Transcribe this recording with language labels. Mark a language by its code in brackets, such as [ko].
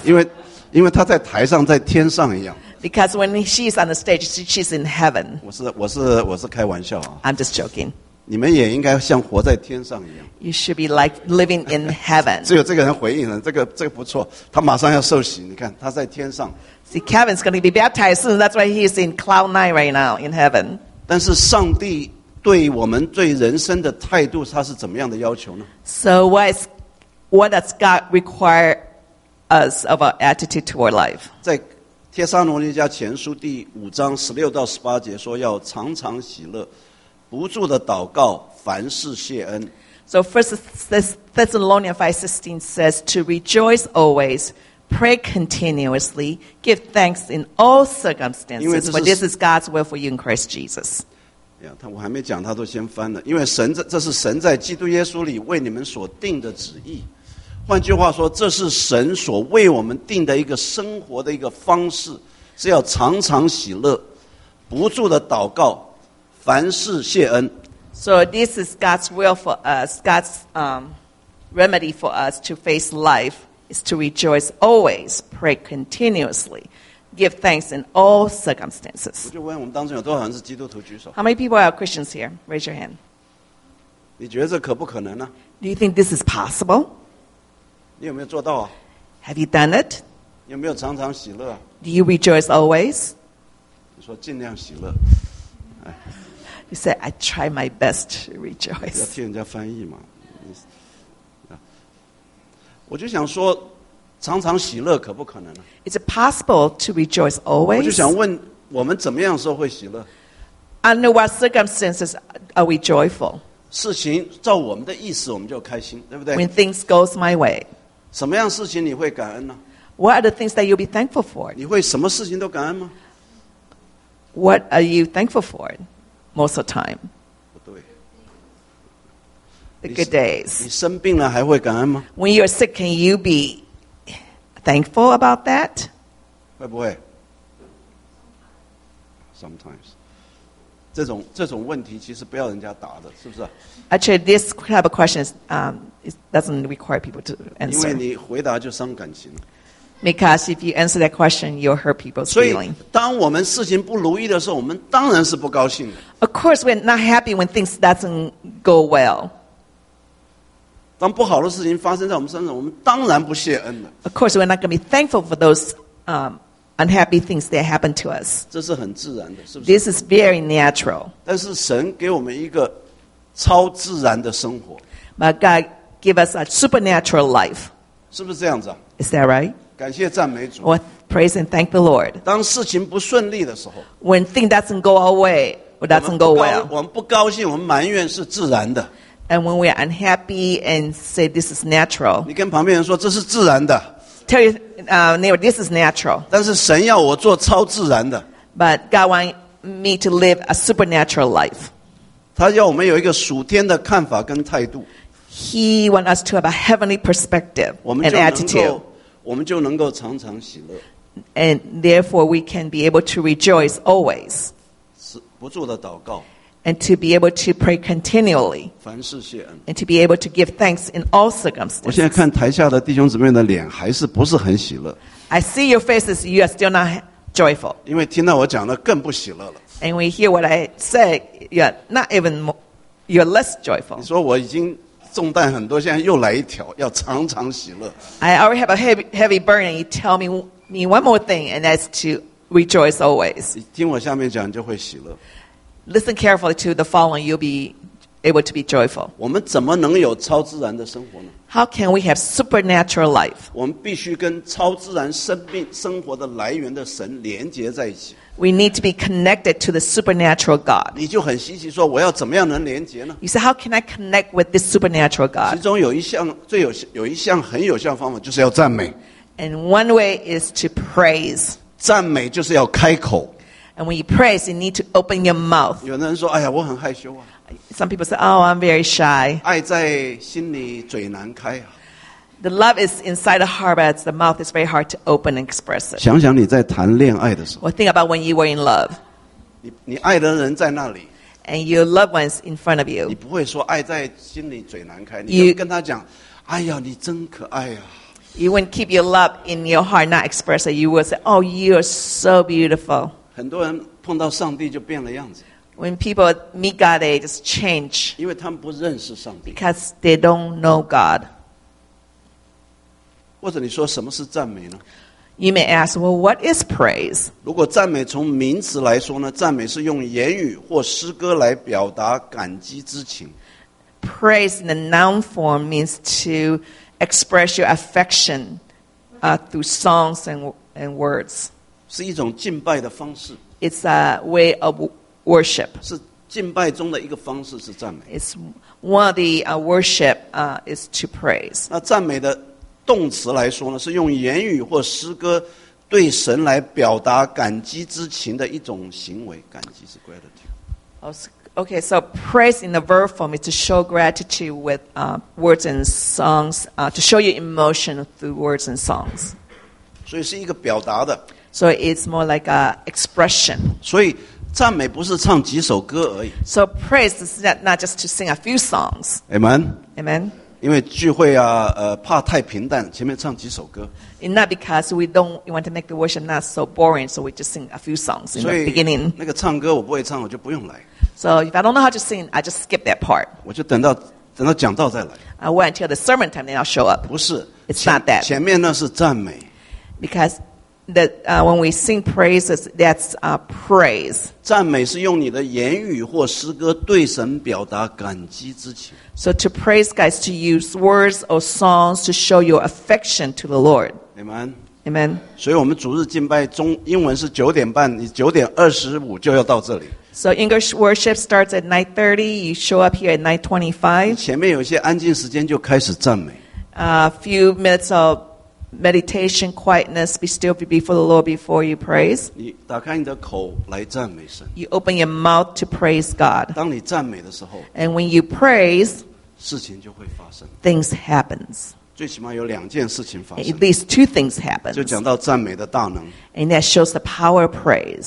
[en] Because when she's on the stage, she's in heaven. [zh] 我是开玩笑啊。 [en] I'm just joking. [zh] 你们也应该像活在天上一样。 [en] You should be like living in heaven. [zh] 只有这个人回应了，这个不错，他马上要受洗。你看他在天上。 [en] See, Kevin's going to be baptized soon. That's why he's in cloud nine right now in heaven. [zh] 但是上帝对我们对人生的态度，他是怎么样的要求呢 [en] ？So what does God require us of our attitude toward life? [zh] 在帖撒罗尼迦前书第五章十六到十八节说，要常常喜乐，不住的祷告，凡事谢恩。 [en] So First Thessalonians 5:16 says to rejoice always. Pray continuously. Give thanks in all circumstances, for this is God's will for you in Christ Jesus. [zh] Yeah, 我还没讲，他都先翻了。因为神在，这是神在基督耶稣里为你们所定的旨意。换句话说，这是神所为我们定的一个生活的一个方式，是要常常喜乐，不住的祷告，凡事谢恩。 [en] So this is God's will for us. God's remedy for us to face life. Is to rejoice always, pray continuously, give thanks in all circumstances. [zh] 我就问我们当中有多少人是基督徒举手 [en] ？How many people are Christians here? Raise your hand. [zh] 你觉得这可不可能呢 [en] ？Do you think this is possible? [zh] 你有没有做到啊 [en] ？Have you done it? [zh] 你有没有常常喜乐 [en] ？Do you rejoice always? [zh] 你说尽量喜乐。 [en] You say I try my best to rejoice. [zh] 要替人家翻译嘛。我就想说，常常喜乐可不可能呢 [en] ？Is it possible to rejoice always？ [zh] 我就想问，我们怎么样时候会喜乐 [en] ？Under what circumstances are we joyful？ [zh] 事情照我们的意思，我们就开心，对不对 [en] ？When things goes my way， [zh] 什么样事情你会感恩呢 [en] ？What are the things that you'll be thankful for？ [zh] 你会什么事情都感恩吗 [en] ？What are you thankful for most of the time？ [zh] 不对。 [en] The good days. [zh] 你生病了还会感恩吗 [en] ？When you're sick, can you be thankful about that? [zh] 会不会 ？ [en] Sometimes. [zh] 这种问题其实不要人家答的，是不是 [en] ？Actually, this type of questions doesn't require people to answer. [zh] 因为你回答就伤感情了。 [en] Because if you answer that question, you'll hurt people's feelings. [zh] 所以，当我们事情不如意的时候，我们当然是不高兴的。 [en] Of course, we're not happy when things doesn't go well. [zh] 当不好的事情发生在我们身上，我们当然不谢恩了。 [en] Of course, we're not going to be thankful for those unhappy things that happen to us. [zh] 这是很自然的，是不是 [en] ？This is very natural. [zh] 但是神给我们一个超自然的生活。 [en] But God give us a supernatural life. [zh] 是不是这样子、啊、 [en] ？Is that right? [zh] 感谢赞美主。 [en] Well, praise and thank the Lord. [zh] 当事情不顺利的时候 [en] ，When things doesn't go our way, or doesn't go well, [zh] 我们不高兴，我们埋怨是自然的。 [en] And when we are unhappy and say this is natural, [zh] 你跟旁边人说这是自然的。 [en] Tell your neighbor this is natural. [zh] 但是神要我做超自然的。 [en] But God wants me to live a supernatural life. [zh] 他要我们有一个属天的看法跟态度。 [en] He wants us to have a heavenly perspective and attitude. [zh] 我们就能够常常喜乐。 [en] And therefore we can be able to rejoice always. [zh] 不住的祷告。 [en] And to be able to pray continually. [zh] 凡事谢恩。 [en] And to be able to give thanks in all circumstances. [zh] 我现在看台下的弟兄姊妹的脸还是不是很喜乐。 [en] I see your faces, you are still not joyful. [zh] 因为听到我讲的更不喜乐了。 [en] And we hear what I say, you're not even more, you're less joyful. [zh] 你说我已经重担很多，现在又来一条，要常常喜乐。 [en] I already have a heavy burden. You tell me one more thing, and that's to rejoice always. [zh] 你听我下面讲，你就会喜乐。 [en] Listen carefully to the following, you'll be able to be joyful. [zh] 我们怎么能有超自然的生活呢 [en] ？How can we have supernatural life? [zh] 我们必须跟超自然生活的来源的神连接在一起。 [en] We need to be connected to the supernatural God. [zh] 你就很稀奇说我要怎么样能连接呢 [en] ？You say, how can I connect with this supernatural God? [zh] 其中有一项很有效方法就是要赞美。 [en] And one way is to praise. [zh] 赞美就是要开口。 [en] And when you praise, you need to open your mouth. [zh] 有的人说，哎呀，我很害羞啊。 [en] Some people say, oh, I'm very shy. [zh] 爱在心里，嘴难开啊。 [en] the love is inside the heart, but the mouth is very hard to open and express it. [zh] 想想你在谈恋爱的时候。 [en] Well, think about when you were in love. [zh] 你爱的人在那里。 [en] And your loved ones in front of you. [zh] 你不会说爱在心里嘴难开，你就跟他讲，哎呀，你真可爱啊。 [en] You wouldn't keep your love in your heart, not express it. You would say, oh, you are so beautiful. [zh] 很多人碰到上帝就变了样子。 [en] When people meet God, they just change. [zh] 因为他们不认识上帝。 [en] Because they don't know God. [zh] 或者你说什么是赞美呢？ [en] You may ask, well, what is praise? [zh] 如果赞美从名词来说呢，赞美是用言语或诗歌来表达感激之情。 [en] Praise in the noun form means to express your affection through songs and words. [zh] 是一种敬拜的方式。 [en] It's a way of worship. [zh] 是敬拜中的一个方式是赞美。 [en] It's one of the worship is to praise. [zh] 那赞美的动词来说呢，是用言语或诗歌对神来表达感激之情的一种行为。感激是 gratitude. [en] Okay, so praise in the verb form is to show gratitude with words and songs, to show your emotion through words and songs. [zh] 所以是一个表达的。 [en] So it's more like an expression. [zh] 所以赞美不是唱几首歌而已。 [en] So praise is not just to sing a few songs. Amen. Amen. [zh] 因为聚会啊，怕太平淡，前面唱几首歌。 [en] And not because we don't want to make the worship not so boring, so we just sing a few songs in the beginning. [zh] 那个唱歌我不会唱，我就不用来。 [en] So if I don't know how to sing, I just skip that part. [zh] 我就等到讲道再来。 [en] I wait until the sermon time, then I'll show up. [zh] 不是， [en] it's not that. [zh] 前面那是赞美。 [en] Because when we sing praises, that's praise. [zh] 赞美是用你的言语或诗歌对神表达感激之情。 [en] So to praise God is to use words or songs to show your affection to the Lord. Amen. Amen. [zh] 所以我们主日敬拜中英文是九点半，你九点二十五就要到这里。 [en] So English worship starts at 9:30. You show up here at 9:25. [zh] 前面有些安静时间就开始赞美。 [en] A few minutes of meditation, quietness, be still before the Lord before you praise. [zh] 你打开你的口来赞美神。 [en] You open your mouth to praise God. [zh] 当你赞美的时候。 [en] And when you praise, [zh] 事情就会发生。 [en] Things happens. [zh] 最起码有两件事情发生。 [en] At least two things happen. [zh] 就讲到赞美的大能。 [en] And that shows the power of praise.